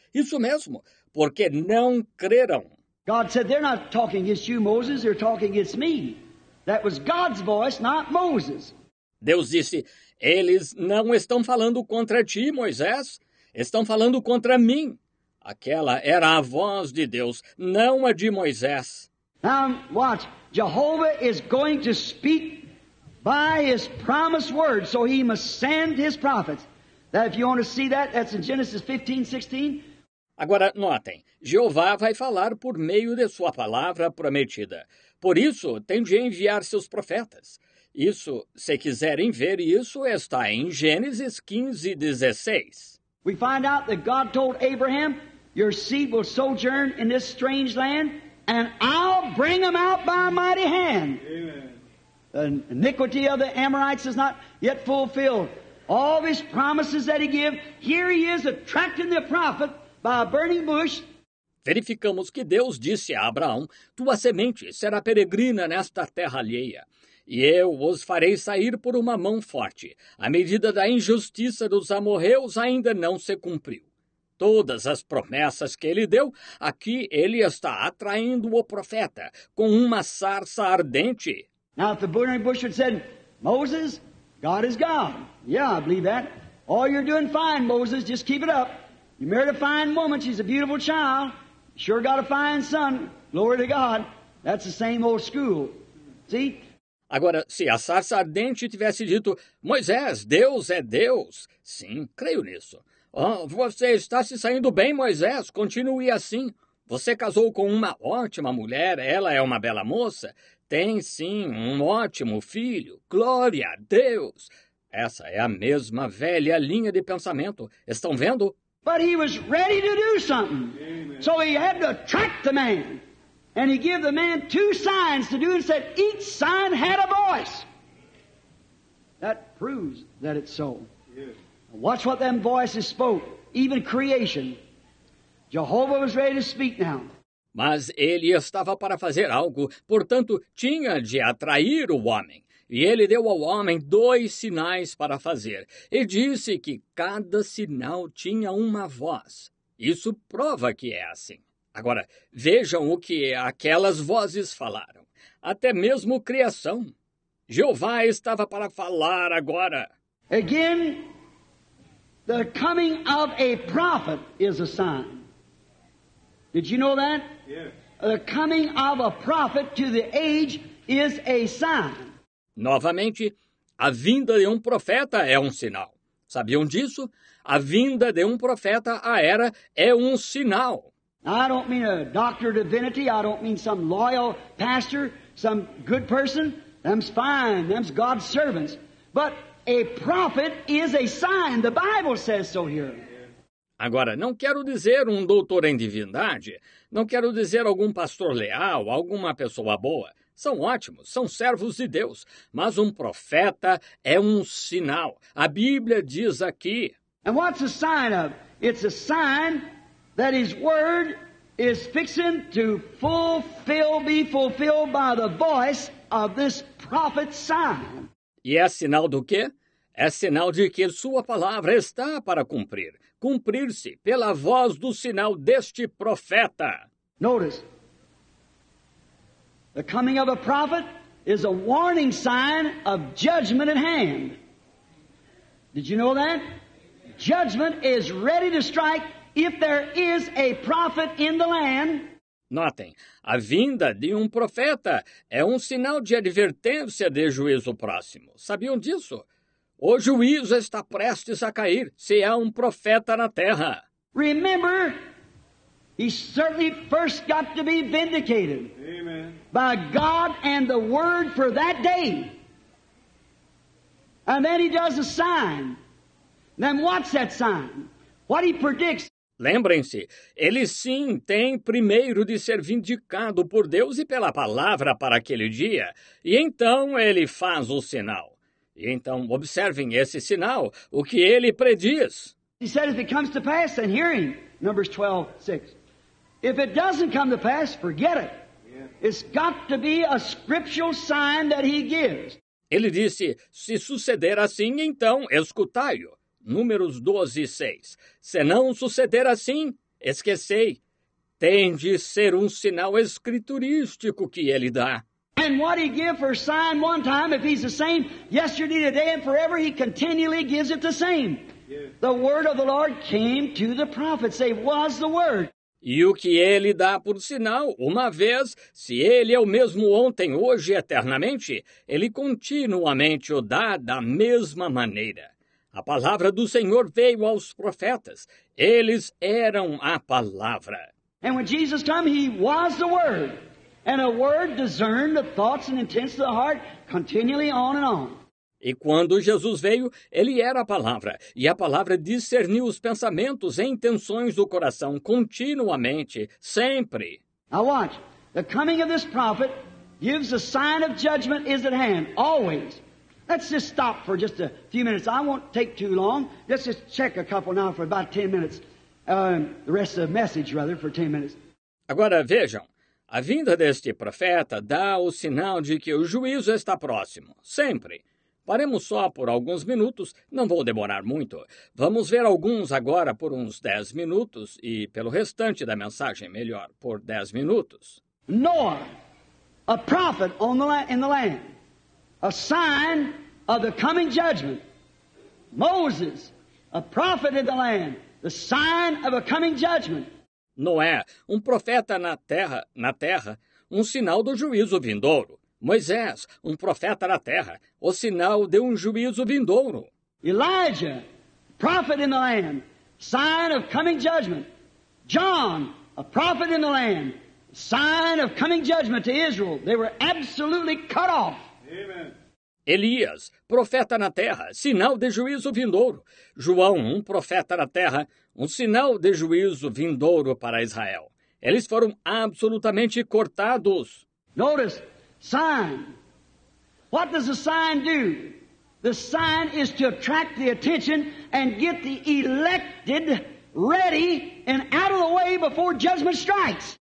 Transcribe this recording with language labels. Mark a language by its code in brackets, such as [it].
[pt] Isso mesmo, porque não creram. [en] God said, they're not talking against you, Moses, they're talking against me. That was God's voice, not Moses. [pt] Deus disse, eles não estão falando contra ti, Moisés. Estão falando contra mim. Aquela era a voz de Deus, não a de Moisés. [en] Now watch, Jehovah is going to speak by his promised word, so he must send his prophets. Now if you want to see that, that's in Genesis 15, 16. [pt] Agora notem, Jeová vai falar por meio de sua palavra prometida. Por isso, tem de enviar seus profetas. Isso, se quiserem ver isso, está em Gênesis 15, 16. [en] We find out that God told Abraham, your seed will sojourn in this strange land, and I'll bring them out by a mighty hand. Amen. The iniquity of the Amorites is not yet fulfilled. All these promises that he gave, here he is attracting the prophet by a burning bush. [pt] Verificamos que Deus disse a Abraão, tua semente será peregrina nesta terra alheia, e eu os farei sair por uma mão forte. A medida da injustiça dos amorreus ainda não se cumpriu. Todas as promessas que ele deu, aqui ele está atraindo o profeta com uma sarça ardente. [en] Now if the burning bush had said, Moses, God is God. Yeah, I believe that. Oh, you're doing fine, Moses, just keep it up. You married a fine woman, she's a beautiful child. Sure got a fine son. Glory to God. That's the same old school. See? [pt] Agora, se a sarça ardente tivesse dito, Moisés, Deus é Deus. Sim, creio nisso. Oh, você está se saindo bem, Moisés. Continue assim. Você casou com uma ótima mulher. Ela é uma bela moça. Tem, sim, um ótimo filho. Glória a Deus. Essa é a mesma velha linha de pensamento. Estão vendo? [en] But he was ready to do something. Amen. So he had to attract the man. And he gave the man two signs to do and said, each sign had a voice. That proves that it's so. Yes. Watch what them voices spoke. Even creation. Jehovah was ready to speak now. [pt] Mas ele estava para fazer algo, portanto, tinha de atrair o homem. E ele deu ao homem dois sinais para fazer, e disse que cada sinal tinha uma voz. Isso prova que é assim. Agora, vejam o que aquelas vozes falaram. Até mesmo criação. Jeová estava para falar agora. [en] Again, the coming of a prophet is a sign. Did you know that? Yes. The coming of a prophet to the age is a sign. [pt] Novamente, a vinda de um profeta é um sinal. Sabiam disso? A vinda de um profeta à era é um sinal. [en] I don't mean a doctor of divinity. I don't mean some loyal pastor, some good person. Them's fine. Them's God's servants. But a prophet is a sign. The Bible says so here. [pt] Agora, não quero dizer um doutor em divindade. Não quero dizer algum pastor leal, alguma pessoa boa. São ótimos, são servos de Deus. Mas um profeta é um sinal. A Bíblia diz aqui. [en] And what's a sign of? It's a sign that his word is fixing to fulfill, be fulfilled by the voice of this prophet's sign. [pt] E é sinal do quê? É sinal de que sua palavra está para cumprir. Cumprir-se pela voz do sinal deste profeta. [en] Notice. The coming of a prophet is a warning sign of judgment at hand. Did you know that? Judgment is ready to strike if there is a prophet in the land. [pt] Notem, a vinda de um profeta é um sinal de advertência de juízo próximo. Sabiam disso? O juízo está prestes a cair se há um profeta na terra. [en] Remember, he certainly first got to be vindicated. Amen. By God and the word for that day. And then he does a sign. Then what's that sign? What he predicts. [pt] Lembrem-se, ele sim tem primeiro de ser vindicado por Deus e pela palavra para aquele dia. E então ele faz o sinal. E então observem esse sinal, o que ele prediz. [en] He said if it comes to pass, then hear him. Numbers 12:6. If it doesn't come to pass, forget it. It's got to be a scriptural sign that he gives. [pt] Ele disse, se suceder assim, então escutai-o. Números 12:6. Se não suceder assim, esquecei. Tem de ser um sinal escriturístico que ele dá. [en] And what he gives for sign one time, if he's the same yesterday, today, and forever, he continually gives it the same. Yes. The word of the Lord came to the prophets. They was the word. [pt] E o que ele dá por sinal, uma vez, se ele é o mesmo ontem, hoje e eternamente, ele continuamente o dá da mesma maneira. A palavra do Senhor veio aos profetas. Eles eram a palavra. [en] And when Jesus came, he was the word. And a word discerned the thoughts and intents of the heart continually on and on. [pt] E quando Jesus veio, ele era a palavra, e a palavra discerniu os pensamentos e intenções do coração continuamente, sempre. [en] Now watch, the coming of this prophet gives a sign of judgment is at hand, always. Let's just stop for just a few minutes. I won't take too long. Let's just check a couple now for about 10 minutes, the rest of the message, rather, for 10 minutes. [pt] Agora vejam, a vinda deste profeta dá o sinal de que o juízo está próximo, sempre. Paremos só por alguns minutos, não vou demorar muito. Vamos ver alguns agora por uns 10 minutos e pelo restante da mensagem, melhor, por 10 minutos. [en] Noah, a prophet on the in the land, a sign of the coming judgment. Moses, a prophet in the land, the sign of a coming judgment. [pt] Noé, um profeta na terra, um sinal do juízo vindouro. Moisés, um profeta na terra, o sinal de um juízo vindouro. [en] Elijah, prophet in the land, sign of coming judgment. John, a prophet in the land, sign of coming judgment to Israel. They were absolutely cut off. Amen. [pt] Elias, profeta na terra, sinal de juízo vindouro. João, um profeta na terra, um sinal de juízo vindouro para Israel. Eles foram absolutamente cortados. [en] Notice. Sign. What does the sign do? The sign is to attract the attention and get the elected ready and out of the way before judgment strikes.